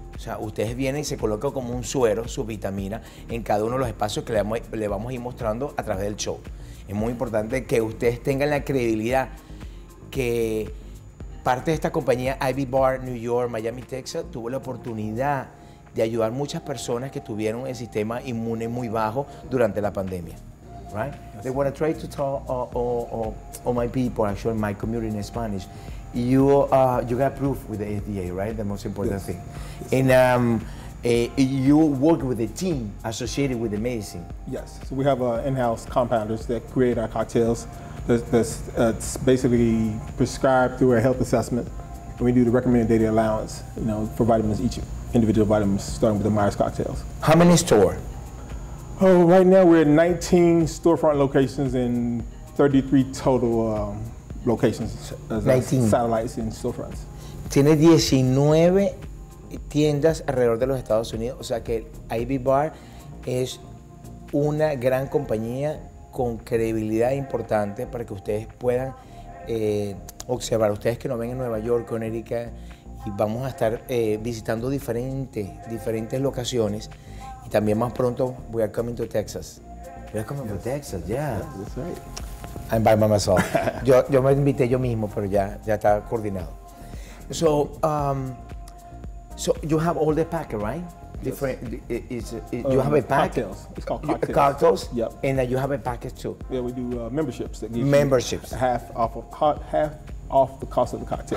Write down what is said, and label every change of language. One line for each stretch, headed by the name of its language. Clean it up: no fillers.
Spanish: O sea, ustedes vienen y se colocan como un suero, su vitamina, en cada uno de los espacios que le vamos a ir mostrando a través del show. Es muy importante que ustedes tengan la credibilidad que parte de esta compañía, IV Bar, New York, Miami, Texas, tuvo la oportunidad de ayudar muchas personas que tuvieron el sistema inmune muy bajo durante la pandemia.
English: Right? Yes. They want to try to tell all my people, actually my community in Spanish, you got approved with the FDA, right? The most important yes. thing. Yes. And you work with a team associated with the medicine. Yes, so we have in-house compounders that create our cocktails. That's basically prescribed through a health assessment, and we do the recommended daily allowance, you know, for vitamins each individual vitamins, starting with the Myers cocktails. How many stores? Oh, right now we're at 19 storefront locations and 33 total locations, as 19. Satellites and storefronts.
Spanish: Tiene 19 tiendas alrededor de los Estados Unidos, o sea que Ivy Bar es una gran compañía con credibilidad importante para que ustedes puedan observar. Ustedes que nos ven en Nueva York, Connecticut, y vamos a estar visitando diferentes locaciones. Y también más pronto,
English: we are coming to Texas. We are coming to Texas, yeah. That's right. I'm by myself.
Spanish: yo me invité yo mismo, pero ya está coordinado.
English: So, so you have all the packet, right? Different. Yes. You have a pack. Cocktails. It's called cocktails. Yep. And you have a package too. Yeah, we do memberships that give memberships. You half off the cost of the cocktail.